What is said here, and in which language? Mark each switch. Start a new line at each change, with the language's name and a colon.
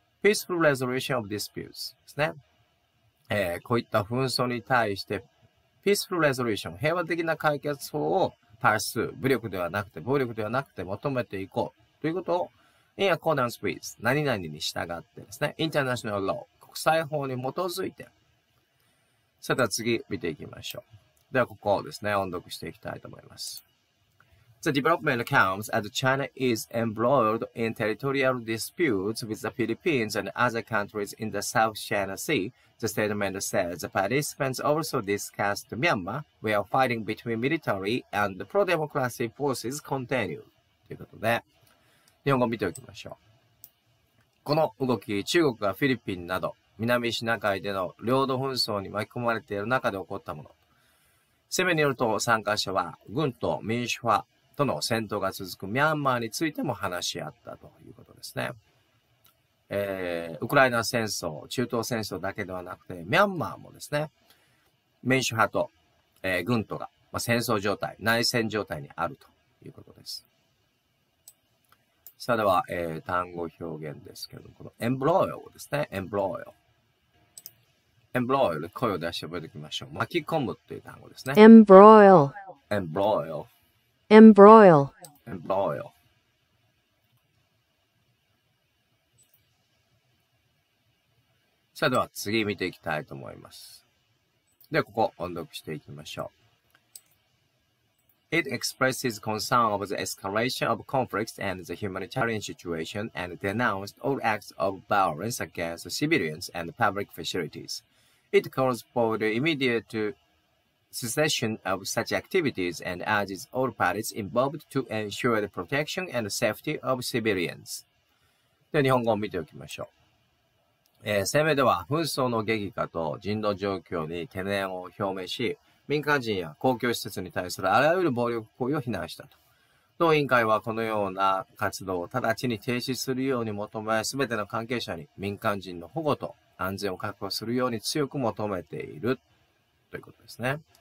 English: peaceful resolution of disputes
Japanese: ですね。こういった紛争に対して
English: peaceful resolution、
Japanese: 平和的な解決法を pursue、武力ではなくて、暴力ではなくて求めていこうということを
English: in accordance with、
Japanese: 何々に従ってですね、
English: international law、
Japanese: 国際法に基づいて。さて次見ていきましょう。ではここをですね、音読していきたいと思います。
English: The development comes as China is embroiled in territorial disputes with the Philippines and other countries in the South China Sea. The statement says the participants also discussed Myanmar, where fighting between military and pro-democracy forces continue.
Japanese: ということで、日本語見ておきましょう。この動き、中国がフィリピンなど、南シナ海での領土紛争に巻き込まれている中で起こったもの。声明によると参加者は軍と民主派との戦闘が続くミャンマーについても話し合ったということですね。ウクライナ戦争、中東戦争だけではなくてミャンマーもですね、民主派と、軍とが、まあ、戦争状態、内戦状態にあるということです。それでは、単語表現ですけど、このエンブロイルですね。エンブロイル。エンブロイル、声を出して覚えておきましょう。巻き込むという単語ですね。エンブロイル。エンブロイル。エンブロイル。エンブロイル。それでは、次見ていきたいと思います。では、ここ、音読していきましょう。
English: It expresses concern over the escalation of conflicts and the humanitarian situation and denounced all acts of violence against civilians and public facilities. It calls for the immediate cessation of such activities and urges all parties involved to ensure the protection and safety of civilians.
Japanese: で、日本語を見ておきましょう。声明では、紛争の激化と人道状況に懸念を表明し、民間人や公共施設に対するあらゆる暴力行為を非難したと。同委員会はこのような活動を直ちに停止するように求め、すべての関係者に民間人の保護と安全を確保するように強く求めているということですね。